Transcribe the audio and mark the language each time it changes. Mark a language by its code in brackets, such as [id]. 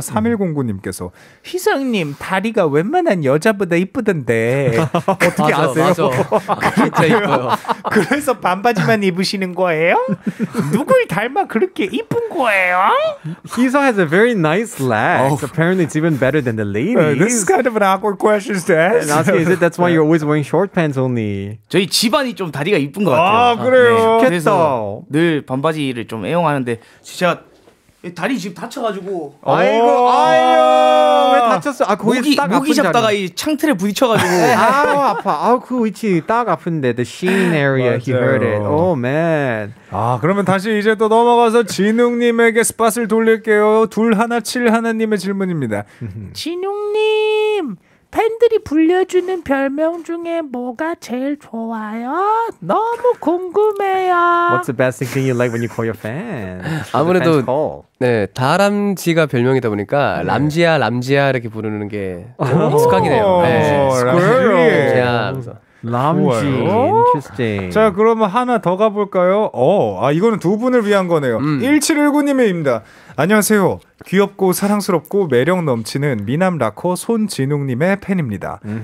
[ko] 3109님께서 희성님 다리가 웬만한 여자보다 이쁘던데 어떻게 맞아, 아세요? 맞아. 진짜 이뻐요. 그래서 반바지만 입으시는 거예요? 누굴 닮아 그렇게 이쁜 거예요? [en] He has a very nice legs. Oh. Apparently it's even better than the ladies. This is kind of an awkward question to ask. And also, is it that's why you're always wearing short pants only? [ko] 저희 집안이 좀 다리가 이쁜 것 같아요. 아 그래요? 네. 그래서 늘 반바지를 좀 애용하는데 진짜 다리 지금 다쳐가지고 아이고 아이고 왜 다쳤어? 아 거기 목이 잡다가 이 창틀에 부딪혀가지고 아 아파 아 그 위치 딱 아픈데 [en] the shin area he hurt it. Oh man. [ko] 아 그러면 다시 이제 또 넘어가서 진웅님에게 스팟을 돌릴게요. 둘 하나 칠 하나님의 질문입니다. 진웅님 팬들이 불려주는 별명 중에 뭐가 제일 좋아요? 너무 궁금해요. [en] What's the best thing you like when you call your fans? [ko] 아무래도 네 다람쥐가 별명이다 보니까 네. 람쥐야 람쥐야 이렇게 부르는 게 익숙하긴해요. 네. [en] Squirrel. [ko] 람쥐야. [en] 람쥐. Interesting. [ko] 자 그러면 하나 더 가볼까요? 어, 아 이거는 두 분을 위한 거네요. 1719님입니다. 안녕하세요. 귀엽고 사랑스럽고 매력 넘치는 미남 락커 손진웅님의 팬입니다.